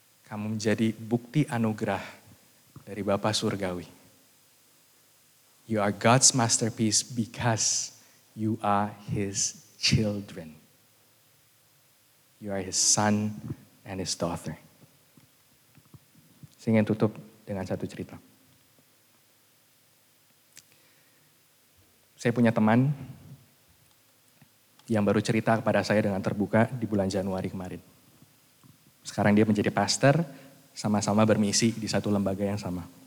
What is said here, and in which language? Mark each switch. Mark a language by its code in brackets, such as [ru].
[id] Kamu menjadi bukti anugerah dari Bapa Surgawi. [en] You are God's masterpiece because you are His children. You are His son and His daughter. [id] Saya ingin tutup dengan satu cerita. Saya punya teman yang baru cerita kepada saya dengan terbuka di bulan Januari kemarin. Sekarang dia menjadi pastor, sama-sama bermisi di satu lembaga yang sama.